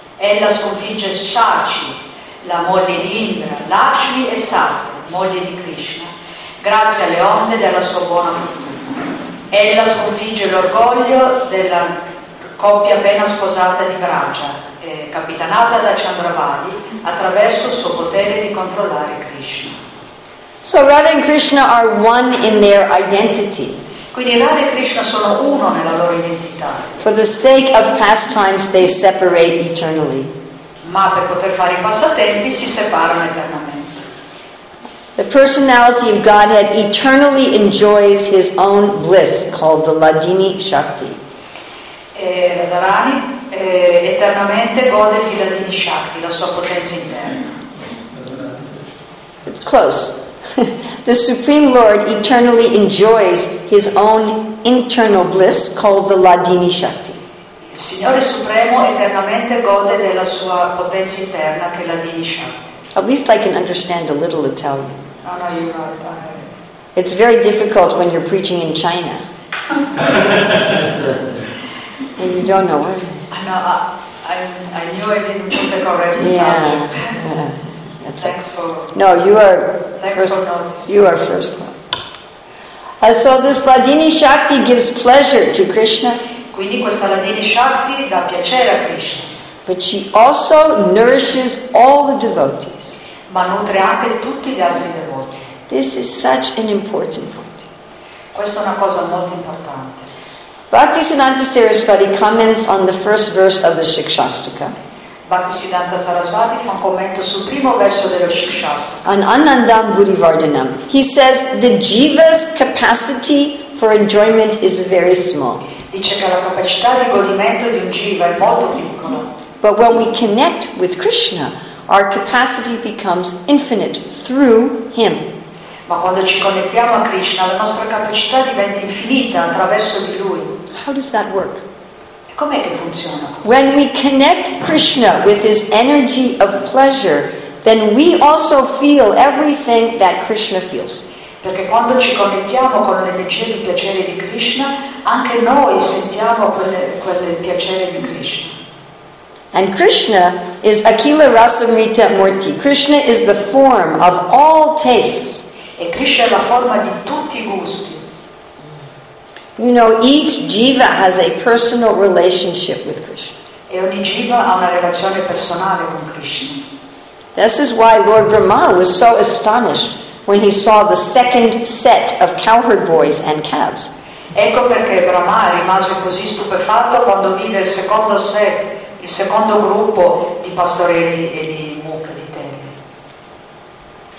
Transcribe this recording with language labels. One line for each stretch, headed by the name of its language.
Italian: Ella sconfigge Shachi, la moglie di Indra, Lakshmi e Satya, moglie di Krishna, grazie alle onde della sua buona fortuna. Ella sconfigge l'orgoglio della coppia appena sposata di Braja, capitanata da Chandravali, attraverso il suo potere di controllare Krishna.
English: So Radha and Krishna are one in their identity.
Italian: Quindi Radha e Krishna sono uno nella loro identità.
English: For the sake of pastimes, they separate eternally.
Italian: Ma per poter fare i passatempi si separano eternamente.
English: The personality of Godhead eternally enjoys his own bliss called the Ladini Shakti.
Italian: Radharani eternamente gode di Ladini Shakti, la sua potenza interna.
English: It's close. The Supreme Lord eternally enjoys his own internal bliss called the Ladini Shakti.
Italian: Il Signore Supremo eternamente gode della sua potenza interna che è Ladini Shakti.
English: At least I can understand a little Italian. Oh, no, you're not Italian. It's very difficult when you're preaching in China. And you don't know what it is. I know, I knew I didn't put the correct subject. Yeah. Thanks for noticing. So this Ladini Shakti gives pleasure to Krishna.
Italian: Quindi questa Ladini Shakti dà piacere a Krishna.
English: But she also nourishes all the devotees.
Italian: Ma nutre anche tutti gli altri devoti.
English: This is such an important point.
Italian: Questa è una cosa molto importante.
English: Bhaktisiddhanta Sarasvati comments on the first verse of the Shikshastaka.
Italian: Bhaktisiddhanta Sarasvati fa un commento sul primo verso dello Shikshastaka.
Sanskrit: An Anandam Buddhivardhanam.
English: He says the jiva's capacity for enjoyment is very small.
Italian: Dice che la capacità di godimento di un jiva è molto piccola.
English: But when we connect with Krishna, our capacity becomes infinite through him.
Italian: Ma quando ci connettiamo a Krishna, la nostra capacità diventa infinita attraverso di lui.
English: How does that work?
Italian: Com'è che funziona?
English: When we connect Krishna with his energy of pleasure, then we also feel everything that Krishna feels.
Italian: Perché quando ci connettiamo con l'energia di piacere di Krishna, anche noi sentiamo quel piacere di Krishna.
English: And Krishna is Akila Rasamrita Murti. Krishna is the form of all tastes.
Italian: E Krishna è la forma di tutti i gusti.
English: You know, each jiva has a personal relationship with Krishna.
Italian: E ogni jiva ha una relazione personale con Krishna.
English: This is why Lord Brahma was so astonished when he saw the second set of cowherd boys and calves.
Italian: Ecco perché Brahma rimase così stupefatto quando vide il secondo set, il secondo gruppo di pastorelli e di mucche di tenere.